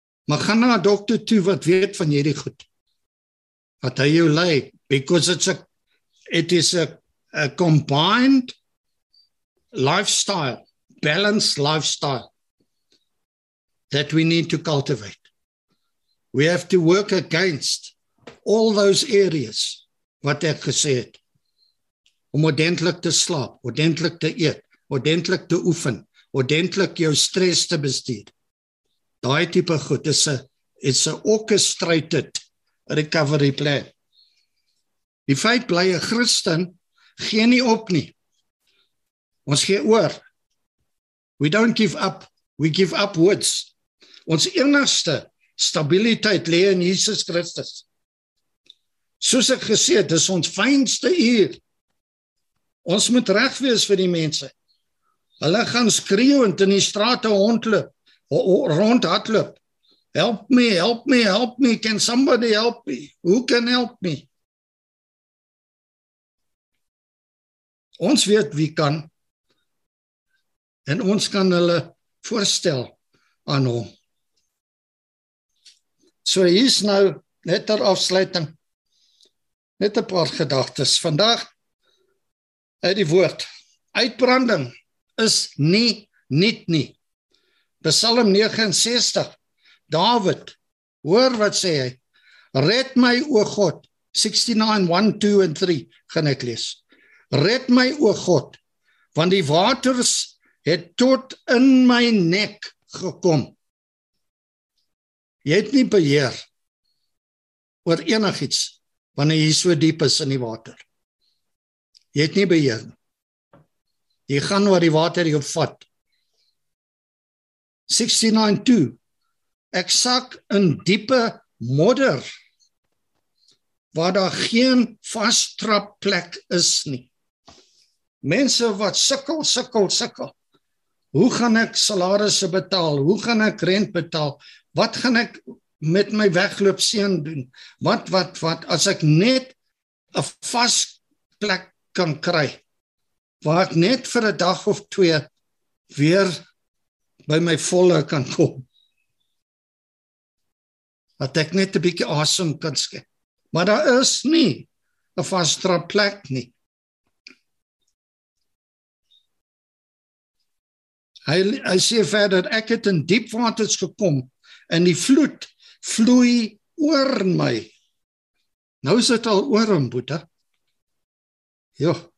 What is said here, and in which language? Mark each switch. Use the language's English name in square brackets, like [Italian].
[Afrikaans] Maar gaan na dokter toe wat weet van hierdie goed. Wat hy jou lei, [English] because it is a combined lifestyle, balanced lifestyle. That we need to cultivate. We have to work against all those areas [Afrikaans] wat ek gesê het. Om ordentlik te slaap, ordentlik te eet, ordentlik te oefen, ordentlik jou stres te bestuur. Daai tipe goed is 'n [English] orchestrated recovery plan. [Afrikaans] Die feit bly, 'n Christen gee nie op nie. Ons gee oor. [English] We don't give up, we give upwards. [Afrikaans] Ons enigste stabiliteit lê in Jesus Christus. Soos ek gesê het, dis ons fynste uur. Ons moet reg wees vir die mense. Hulle gaan skreeuend in die strate rondhardloop. [English] Help me, help me, help me. Can somebody help me? Who can help me? [Afrikaans] Ons weet wie kan. En ons kan hulle voorstel aan hom. So hier is nou net ter afsluiting, net 'n paar gedagtes. Vandag uit die woord, uitbranding is nie niet nie. Psalm 69, David, hoor wat sê hy, red my o God, 69, 1, 2 en 3, gaan ek lees. Red my o God, want die waters het tot in my nek gekom. Jy het nie beheer oor enig iets, wanneer jy so diep is in die water. Jy het nie beheer. Jy gaan oor die water jou vat. 69:2, ek sak in diepe modder, waar daar geen vastrap plek is nie. Mense wat sukkel, hoe gaan ek salarisse betaal, hoe gaan ek rent betaal, wat gaan ek met my wegloop seën doen? Wat, as ek net 'n vas plek kan kry, waar ek net vir 'n dag of twee weer by my volle kan kom. Dat ek net 'n bietjie asem kan skep. Maar daar is nie 'n vaste plek nie. Hy sê verder, ek het in diep waters gekom, en die vloed vloei oor my. Nou is het al oor hom, Boeta. Jo.